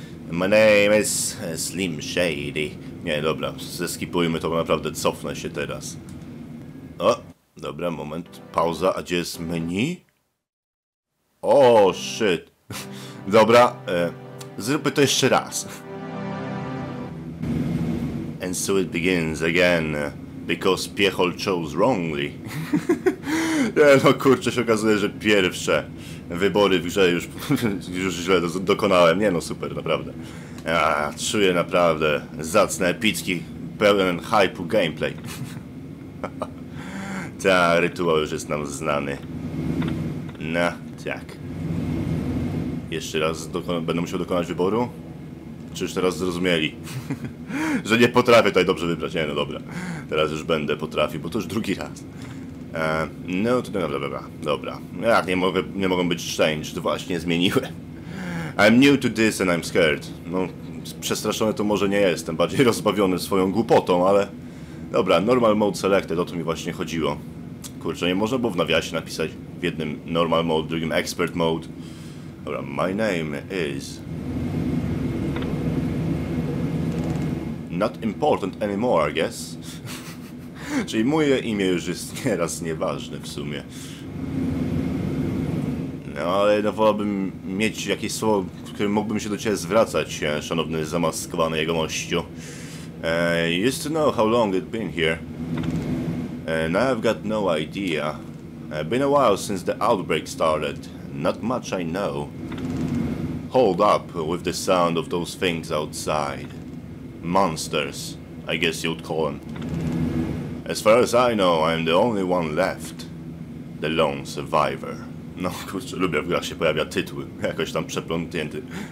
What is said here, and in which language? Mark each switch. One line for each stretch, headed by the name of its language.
English: My name is Slim Shady.
Polish: Nie, dobra, zeskipujmy to, bo naprawdę cofnę się teraz. O, dobra, moment, pauza, a gdzie jest menu?
English: O, shit.
Polish: Dobra, zróbmy to jeszcze raz.
English: And so it begins again, because Piechol chose wrongly.
Polish: Nie, no kurczę, się okazuje, że pierwsze wybory w grze już źle dokonałem. Nie, no super, naprawdę. Czuję naprawdę zacne, epicki, pełen hype'u gameplay. Ta, rytuał już jest nam znany. No, tak. Jeszcze raz będę musiał dokonać wyboru? Czy już teraz zrozumieli, że nie potrafię tutaj dobrze wybrać? Nie, no dobra. Teraz już będę potrafił, bo to już drugi raz. No to dobra. Ach, nie mogą być change, to właśnie zmieniłem.
English: I'm new to this and I'm scared.
Polish: No, przestraszony to może nie jestem, bardziej rozbawiony swoją głupotą, ale... Dobra, normal mode selected, o to mi właśnie chodziło. Kurczę, nie można było w nawiasie napisać w jednym normal mode, drugim expert mode. Dobra,
English: my name is... Not important anymore, I guess.
Polish: Czyli moje imię już jest nieraz nieważne w sumie. No, ale wolałbym mieć jakieś słowo, w którym mógłbym się do ciebie zwracać, szanowny zamaskowany jegomościu.
English: Used to know how long it's been here. Now I've got no idea. Been a while since the outbreak started. Not much I know. Hold up with the sound of those things outside. Monsters, I guess you'd call them. As far as I know, I'm the only one left. The lone survivor.
Polish: No kurczę, lubię, w grach się pojawia tytuł. Jakoś tam przeplątnięty.